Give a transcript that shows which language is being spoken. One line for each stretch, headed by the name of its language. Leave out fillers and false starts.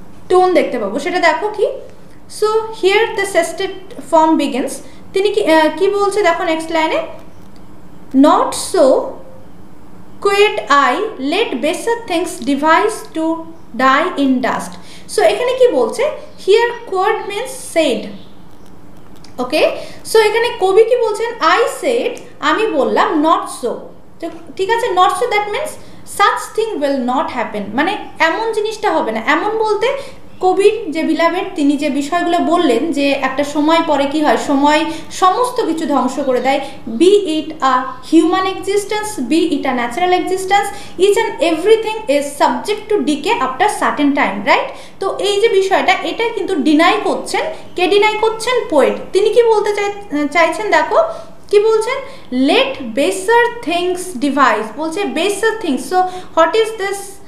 Bangla: Tone দেখতে পাবো সেটা দেখো কি
English: so here the sestet form begins
Bangla: তিনি কি বলছে দেখো নেক্সট লাইনে
English: Not so quit I let better things devise to die in dust. So
Bangla: এখানে কি বলছে
English: Here quit means said. Okay?
Bangla: So এখানে কবি কি বলছেন
English: I said
Bangla: আমি বললাম
English: not so.
Bangla: ঠিক আছে
English: not so that means such thing will not happen.
Bangla: মানে এমন জিনিসটা হবে না এমন বলতে কবির যে বিলাভেট তিনি যে বিষয়গুলো বললেন যে একটা সময় পরে কি হয় সময় সমস্ত কিছু ধ্বংস করে দেয়
English: be it a human existence be it a natural existence each and everything is subject to decay after certain time right
Bangla: তো এই যে বিষয়টা এটা কিন্তু ডিনাই করছেন কে ডিনাই করছেন পোয়েট তিনি কি বলতে চাইছেন দেখো কি বলছেন
English: let baser things devise
Bangla: বলছে বেসার things
English: so what is this